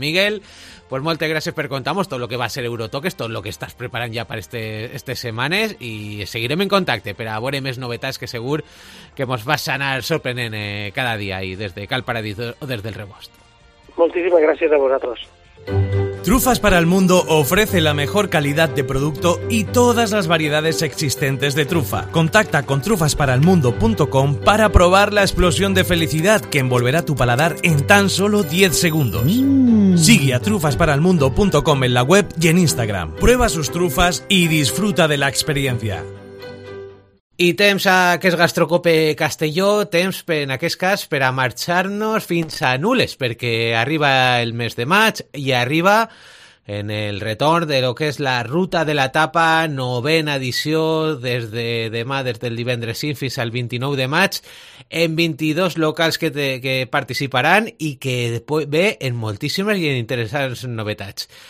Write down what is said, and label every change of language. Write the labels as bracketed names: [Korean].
[Catalan] Miguel, pues moltes gràcies per contar-nos tot el que va ser Eurotoques, tot el que estàs preparant ja per aquestes setmanes i seguirem en contacte per a veure més novetats que segur que mos vas anar sorprenent cada dia i des de Cal Paradís o des del Rebost. Moltíssimes gràcies a vosaltres. [Spanish] Trufas para el Mundo ofrece la mejor calidad de producto y todas las variedades existentes de trufa. Contacta con trufasparalmundo.com para probar la explosión de felicidad que envolverá tu paladar en tan solo 10 segundos. Sigue a trufasparalmundo.com en la web y en Instagram. Prueba sus trufas y disfruta de la experiencia. [Catalan] I temps a aquest Gastrocope Castelló, temps en aquest cas per a marxar-nos fins a Nules, perquè arriba el mes de maig i arriba en el retorn de lo que és la Ruta de la Tapa, 9a edició, des de demà, des del divendres fins al 29 de maig, en 22 locals que participaran i que ve en moltíssimes i en interessants novetats.